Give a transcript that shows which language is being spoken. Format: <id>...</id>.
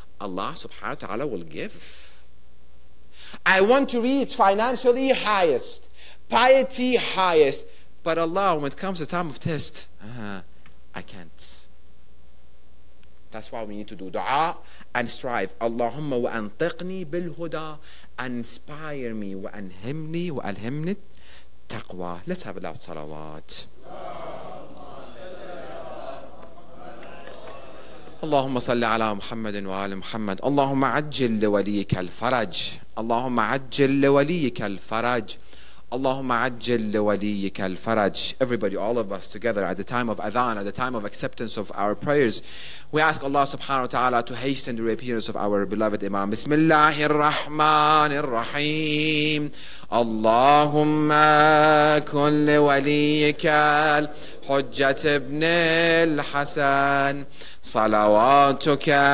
<en>Allah subhanahu wa ta'ala will give. I want to reach financially highest, piety highest, but Allah, when it comes to time of test, I can't. That's why we need to do dua and strive.</en> <ar>Allahumma wa antiqni bil huda,</ar> <en>inspire me</en> <ar>wa anhimni wa alhimni taqwa.</ar> <en>Let's have a loud salawat.</en> <ar>اللهم صل على محمد وآل محمد اللهم عجل لوليك الفرج اللهم عجل لوليك الفرج اللهم عجل لوليك الفرج.</ar> <en>Everybody, all of us together at the time of adhan, at the time of acceptance of our prayers, we ask Allah subhanahu wa ta'ala to hasten the reappearance of our beloved Imam.</en> <ar>بسم الله الرحمن الرحيم اللهم كن لوليك الحجة ابن الحسن صلواتك.</ar>